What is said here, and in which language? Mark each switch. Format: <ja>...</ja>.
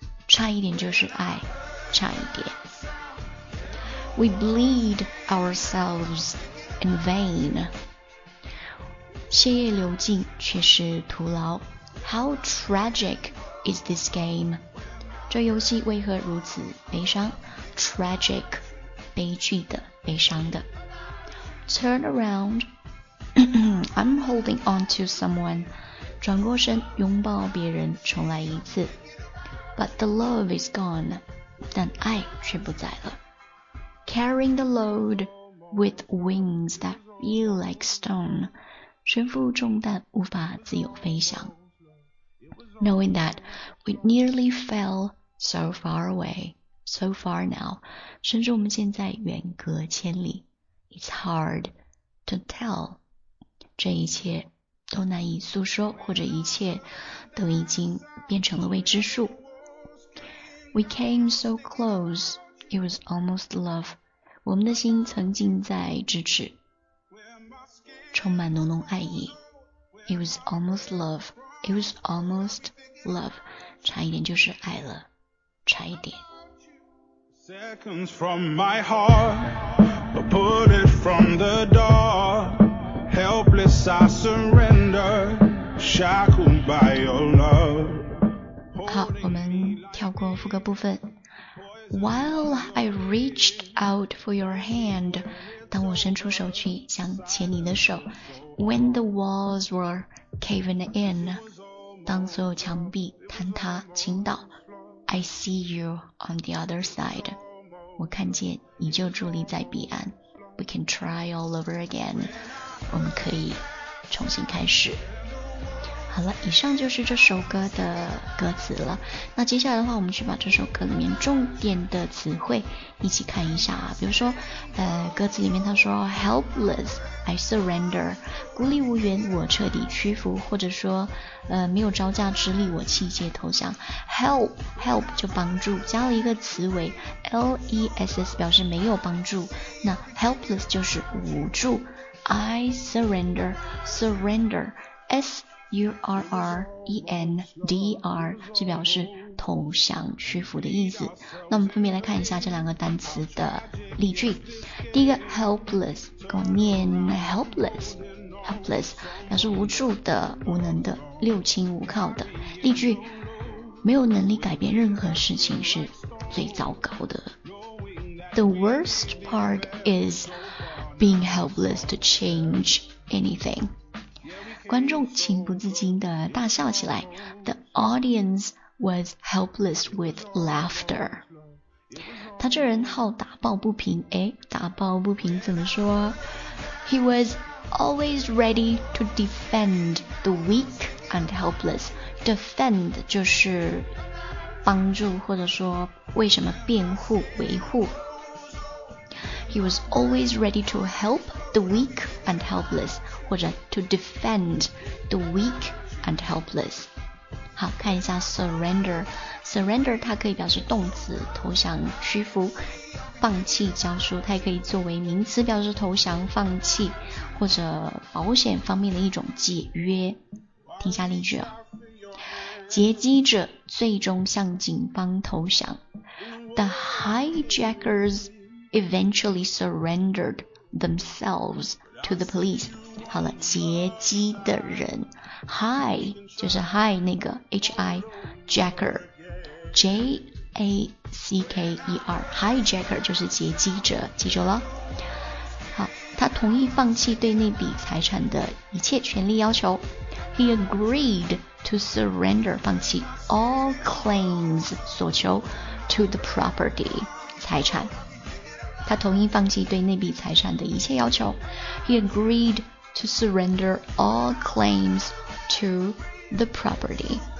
<zh>差一点就是爱，差一点。</zh> <en>We bleed ourselves in vain.</en> <zh>血液流尽却是徒劳。</zh> <en>How tragic is this game?</en> <zh>这游戏为何如此悲伤？ Tragic, 悲剧的，悲伤的。</zh> <en>Turn around. I'm holding on to someone.</en> <zh>转过身拥抱别人重来一次</zh> <en>But the love is gone</en> <zh>但爱却不在了</zh> <en>Carrying the load with wings that feel like stone</en> <zh>身负重担无法自由飞翔</zh> <en>Knowing that we nearly fell so far away So far now</en> <zh>甚至我们现在远隔千里</zh> <en>It's hard to tell</en> <zh>这一切都难以诉说，或者一切都已经变成了未知数。</zh> <en>We came so close, it was almost love.</en> <zh>我们的心曾近在咫尺，充满浓浓爱意。</zh> <en>It was almost love, it was almost love.</en> <zh>差一点就是爱了，差一点。</zh> <en>Seconds from my heart, I put it from the door. Helpless, I surrender, shackled by your love.</en> <zh>好，我们跳过副歌部分。</zh> <en>While I reached out for your hand,</en> <zh>当我伸出手去想牵你的手。</zh> <en>When the walls were caving in,</en> <zh>当所有墙壁坍塌倾倒。</zh> <en>I see you on the other side.</en> <zh>我看见你就伫立在彼岸。</zh> <en>We can try all over again.</en> <zh>我们可以重新开始。好了，以上就是这首歌的歌词了。那接下来的话，我们去把这首歌里面重点的词汇一起看一下啊。比如说，歌词里面他说</zh> <en>helpless, I surrender,</en> <zh>孤立无援，我彻底屈服，或者说，没有招架之力，我弃械投降。 help 就帮助，加了一个词尾 less 表示没有帮助，那 helpless 就是无助。</zh> <en>I surrender,</en> <zh>S-U-R-R-E-N-D-R 是表示投降屈服的意思。那我们分别来看一下这两个单词的例句。第一个 helpless， 跟我念 helpless 表示无助的、无能的、六亲无靠的。例句，没有能力改变任何事情是最糟糕的。</zh> <en>The worst part is being helpless to change anything。</en> <zh>观众情不自禁地大笑起来。</zh> <en>The audience was helpless with laughter.</en> <zh>他这人好打抱不平，诶，打抱不平怎么说？</zh> <en>He was always ready to defend the weak and helpless.</en> <zh>Defend 就是帮助或者说为什么辩护维护。</zh> <en>He was always ready to help the weak and helpless,</en> <zh>或者</zh> <en>to defend the weak and helpless.</en> <zh>好，看一下 surrender. Surrender 它可以表示动词，投降、屈服、放弃、交出。它也可以作为名词，表示投降、放弃，或者保险方面的一种解约。听下例句啊，劫机者最终向警方投降。</zh> <en>The hijackers. Eventually surrendered themselves to the police.</en> <zh>好了，劫机的人 ，hi 就是 hi 那个 hi jacker, j a c k e r hijacker 就是劫机者，记住了。好，他同意放弃对那笔财产的一切权利要求。</zh> <en>He agreed to surrender 放弃 all claims 所求 to the property 财产。</en> <zh>他同意放弃对那笔财产的一切要求。</zh> <en>He agreed to surrender all claims to the property.</en>